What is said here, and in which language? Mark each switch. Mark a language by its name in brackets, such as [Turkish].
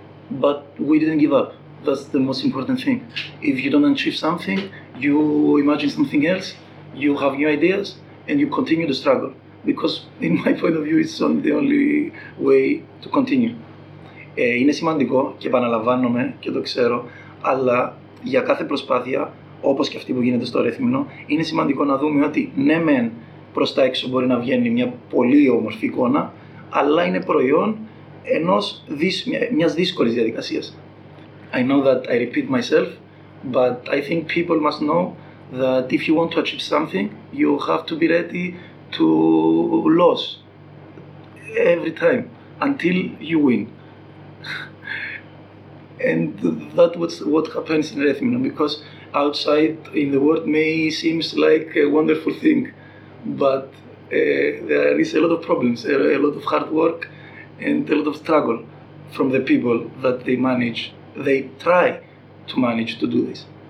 [English] But we didn't give up. That's the most important thing. If you don't achieve something, you imagine something else, you have new ideas, and you continue the struggle. Because in my point of view, it's the only way to continue. [Greek] Είναι σημαντικό και επαναλαμβάνομαι και το ξέρω, αλλά για κάθε προσπάθεια, όπως και αυτή που γίνεται στο Ρέθυμνο, είναι σημαντικό να δούμε ότι ναι μεν προς τα έξω μπορεί να βγαίνει μια πολύ όμορφη εικόνα, αλλά είναι προϊόν ενός μιας δύσκολης διαδικασίας. [English] I know that I repeat myself, but I think people must know that if you want to achieve something, you have to be ready to lose every time until you win. And that was what happens in Ρέθυμνο, because outside in the world may seem like a wonderful thing, but there is a lot of problems, a lot of hard work and a lot of struggle from the people that they manage, they try to manage to do this.